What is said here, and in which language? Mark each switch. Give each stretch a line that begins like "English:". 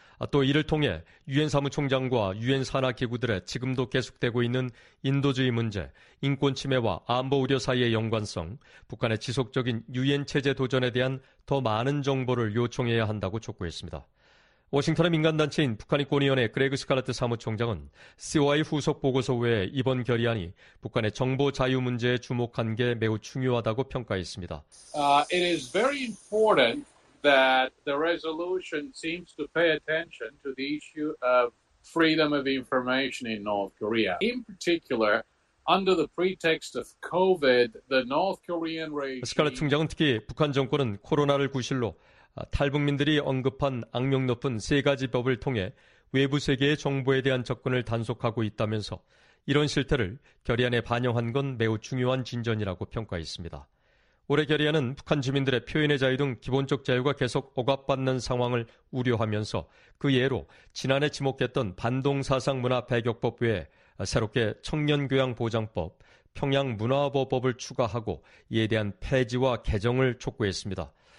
Korean: 또 이를 통해 유엔 사무총장과 유엔 산하 기구들의 지금도 계속되고 있는 인도주의 문제, 인권 침해와 안보 우려 사이의 연관성, 북한의 지속적인 유엔 체제 도전에 대한 더 많은 정보를 요청해야 한다고 촉구했습니다. 워싱턴의 민간단체인 북한인권위원회 그레그 스칼라트 사무총장은 COI 후속 보고서 외에 이번 결의안이 북한의 정보 자유 문제에 주목한 게 매우 중요하다고 평가했습니다.
English: It is very important that the resolution seems to pay attention to the issue of freedom of information in North Korea. In particular, under the pretext of COVID, the North Korean regime.
Korean: 스칼라트 총장은 특히 북한 정권은 코로나를 구실로 탈북민들이 언급한 악명 높은 세 가지 법을 통해 외부 세계의 정보에 대한 접근을 단속하고 있다면서 이런 실태를 결의안에 반영한 건 매우 중요한 진전이라고 평가했습니다. 올해 결의안은 북한 주민들의 표현의 자유 등 기본적 자유가 계속 억압받는 상황을 우려하면서 그 예로 지난해 지목했던 반동사상문화배격법 외에 새롭게 청년교양보장법, 평양문화보호법을 추가하고 이에 대한 폐지와 개정을 촉구했습니다.